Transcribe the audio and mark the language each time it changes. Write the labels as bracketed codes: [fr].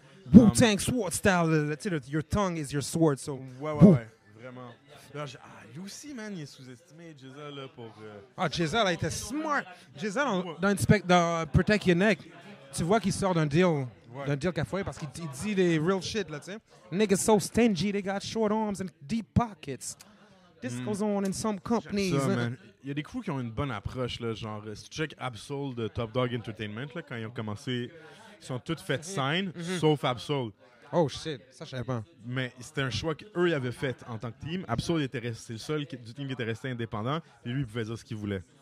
[en] Wu-Tang sword style, [fr] tu sais, [en] your tongue is your sword, so. [fr] Ouais, ouais, ouais, vraiment. Alors, lui aussi, man, il est sous-estimé, Jaza, là, pour. Jaza, là, il était smart. Jaza, dans Protect Your Neck, tu vois qu'il sort d'un deal, ouais. D'un deal qu'a fait parce qu'il dit des [en] real shit, [fr] là, tu sais. [en] Niggas so stingy, they got short arms and deep pockets. This goes on in some companies. [fr] J'aime ça, man. Il y a des crews qui ont une bonne approche, là, genre, si tu check Absol de Top Dog Entertainment, là, quand ils ont commencé. Ils sont toutes faites signes, sauf Absol. Oh shit, ça je savais pas. Mais c'était un choix qu'eux ils avaient fait en tant que team. Absol était resté, c'est le seul du team qui était resté indépendant. Et lui, il pouvait dire ce qu'il voulait.